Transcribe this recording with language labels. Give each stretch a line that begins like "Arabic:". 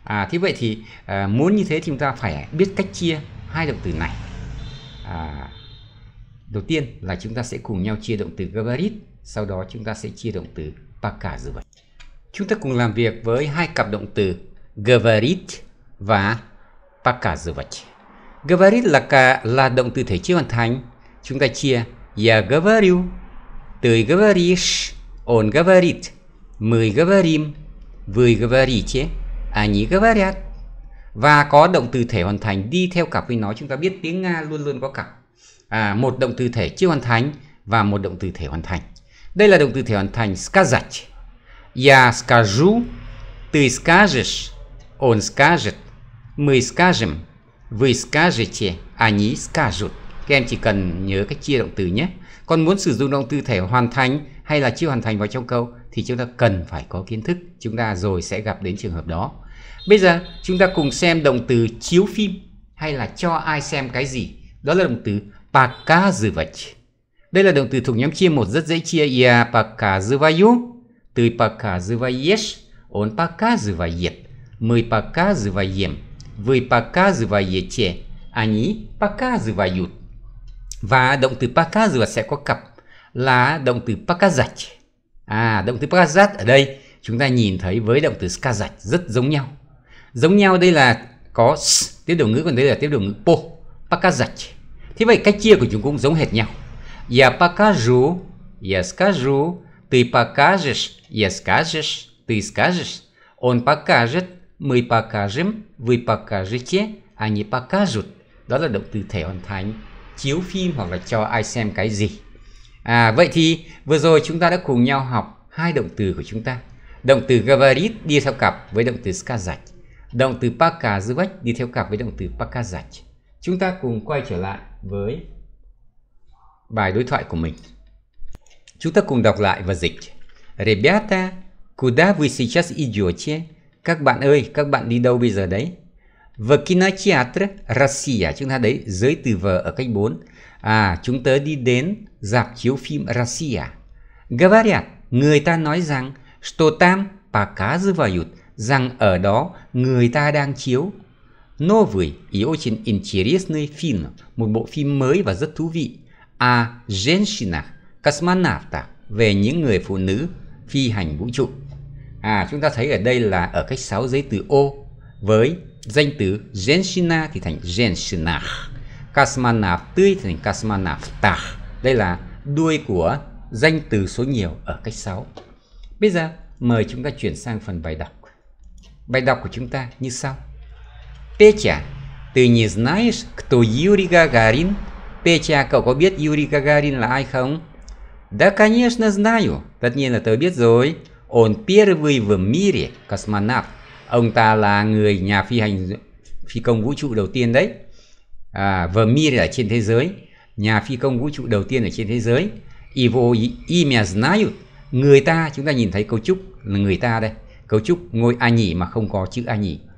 Vietnamese: Thế vậy thì muốn như thế thì chúng ta phải biết cách chia hai động từ này. Đầu tiên là chúng ta sẽ cùng nhau chia động từ говорит, sau đó chúng ta sẽ chia động từ показывать. Chúng ta cùng làm việc với hai cặp động từ говорит và показывать. Говорит là động từ thể chưa hoàn thành, chúng ta chia
Russian: я говорю, ты говоришь, он говорит, мы говорим, вы говорите, они говорят.
Vietnamese: và có động từ thể hoàn thành đi theo cặp với nó. Chúng ta biết tiếng Nga luôn luôn có cặp, một động từ thể chưa hoàn thành và một động từ thể hoàn thành. Đây là động từ thể hoàn thành сказать.
Russian: Я скажу, ты скажешь, он скажет, мы скажем, вы скажете, они скажут.
Vietnamese: Các em chỉ cần nhớ cách chia động từ nhé. Còn muốn sử dụng động từ thể hoàn thành hay là chưa hoàn thành vào trong câu thì chúng ta cần phải có kiến thức. Chúng ta rồi sẽ gặp đến trường hợp đó. Bây giờ chúng ta cùng xem động từ chiếu phim hay là cho ai xem cái gì. Đó là động từ показывать. Đây là động từ thuộc nhóm chia một rất dễ chia.
Russian: Я показываю. Ты показываешь. Он показывает. Мы показываем. Вы показываете. Они показывают.
Vietnamese: Và động từ показывать sẽ có cặp là động từ показать. Động từ показать ở đây chúng ta nhìn thấy với động từ сказать rất giống nhau. Giống nhau đây là có s, tiếp đầu ngữ, còn đây là tiếp đầu ngữ po, показать. Thế vậy cách chia của chúng cũng giống hệt nhau.
Russian: Я покажу, я скажу, ты покажешь, я скажешь, ты скажешь, он покажет, мы покажем, вы покажете, они покажут.
Vietnamese: Đó là động từ thể hoàn thành chiếu phim hoặc là cho ai xem cái gì. Vậy thì vừa rồi chúng ta đã cùng nhau học hai động từ của chúng ta. Động từ говорить đi theo cặp với động từ сказать. Động từ показывать đi theo cặp với động từ показать. Chúng ta cùng quay trở lại với bài đối thoại của mình. Chúng ta cùng đọc lại và dịch.
Russian: Ребята, куда вы сейчас идете?
Vietnamese: Các bạn ơi, các bạn đi đâu bây giờ đấy?
Russian: В кинотеатр Россия.
Vietnamese: Chúng ta đấy, giới từ vợ ở cách 4. Chúng tớ đi đến rạp chiếu phim Россия.
Russian: Говорят,
Vietnamese: người ta nói rằng,
Russian: что там показывают,
Vietnamese: rằng ở đó người ta đang chiếu.
Russian: Новый и очень интересный фильм.
Vietnamese: Một bộ phim mới và rất thú vị.
Russian: А женщина космонавта.
Vietnamese: Về những người phụ nữ phi hành vũ trụ. Chúng ta thấy ở đây là ở cách 6 giới từ O với danh từ женщина thì thành женщина. Космонавты thì thành космонавта. Đây là đuôi của danh từ số nhiều ở cách 6. Bây giờ mời chúng ta chuyển sang phần bài đọc. Bài đọc của chúng ta như sau.
Russian: Петя, ты не знаешь, кто Юрий Гагарин?
Vietnamese: Петя, cậu có biết Юрий Гагарин là ai không?
Russian: Да, конечно, знаю.
Vietnamese: Tất nhiên là tớ biết rồi.
Russian: Он первый в мире космонавт.
Vietnamese: Ông ta là người nhà phi hành phi công vũ trụ đầu tiên đấy.
Russian: В мире
Vietnamese: là trên thế giới. Nhà phi công vũ trụ đầu tiên ở trên thế giới.
Russian: Его имя знают.
Vietnamese: Người ta, chúng ta nhìn thấy cấu trúc là người ta đây. Cấu trúc ngôi они mà không có chữ они.